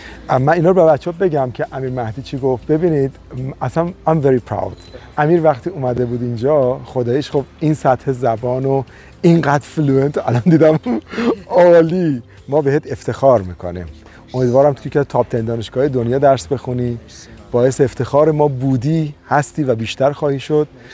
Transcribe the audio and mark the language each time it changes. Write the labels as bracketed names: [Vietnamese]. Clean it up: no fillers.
[Persian] من اینا رو به بچه ها بگم که امیر مهدی چی گفت. ببینید اصلا [English] I'm very proud. [Persian] امیر وقتی اومده بود اینجا خدایش خب این سطح زبان و اینقدر فلوئنت الان دیدم عالی. ما بهت افتخار میکنیم. امیدوارم توی که تاپ 10 دانشگاه دنیا درس بخونی. باعث افتخار ما بودی هستی و بیشتر خواهی شد.